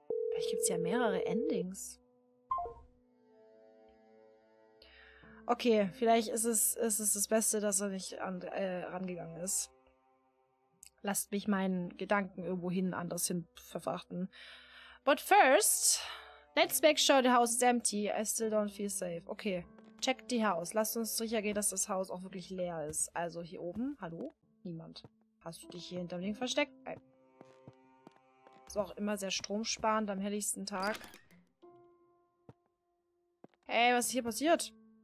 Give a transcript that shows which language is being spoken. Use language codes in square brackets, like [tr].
[de] Vielleicht gibt es ja mehrere Endings. Okay, vielleicht ist es das Beste, dass er nicht rangegangen ist. Lasst mich meinen Gedanken irgendwohin anders hin verfrachten. [en] But first, let's make sure the house is empty. I still don't feel safe. Okay, check the house. [de] Lasst uns sicher gehen, dass das Haus auch wirklich leer ist. Also hier oben, hallo? Niemand. Hast du dich hier hinterm Ding versteckt? auch immer sehr stromsparend am helligsten Tag. Hey, was ist hier passiert?